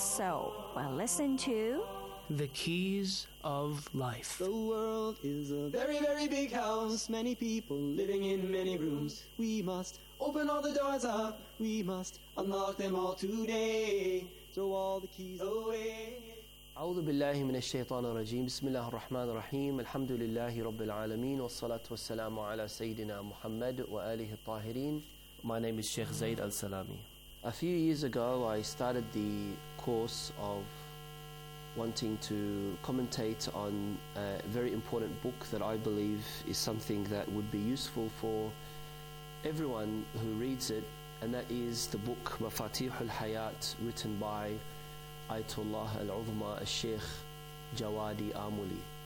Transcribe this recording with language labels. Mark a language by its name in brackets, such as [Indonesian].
[English] So, well, listen to The Keys of Life. The world is a very, very big house. Many people living in many rooms. We must open all the doors up. We must unlock them all today. Throw all the keys away. [Arabic] أعوذ بالله من الشيطان الرجيم بسم الله الرحمن الرحيم الحمد لله رب العالمين والصلاة والسلام على سيدنا محمد وآله الطاهرين. [English] My name is Sheikh Zayd Al Salami. A few years ago, I started the course of wanting to commentate on a very important book that I believe is something that would be useful for everyone who reads it, and that is the book Mafatih Al Hayat, written by Ayatollah Al-Uzma Al-Sheikh Jawadi Amuli.